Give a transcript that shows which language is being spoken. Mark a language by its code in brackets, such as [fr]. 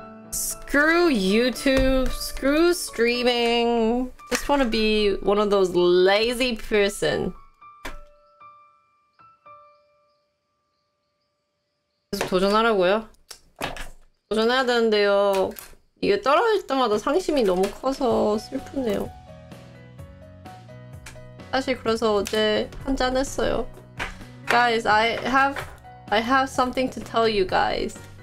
[en] Screw YouTube, screw streaming. Just want to be one of those lazy person. [ko] Just 도전하라고요? 도전해야 되는데요. 이게 떨어질 때마다 상심이 너무 커서 슬프네요. 사실 그래서 어제 한잔 했어요. [en] Guys, I have something to tell you guys.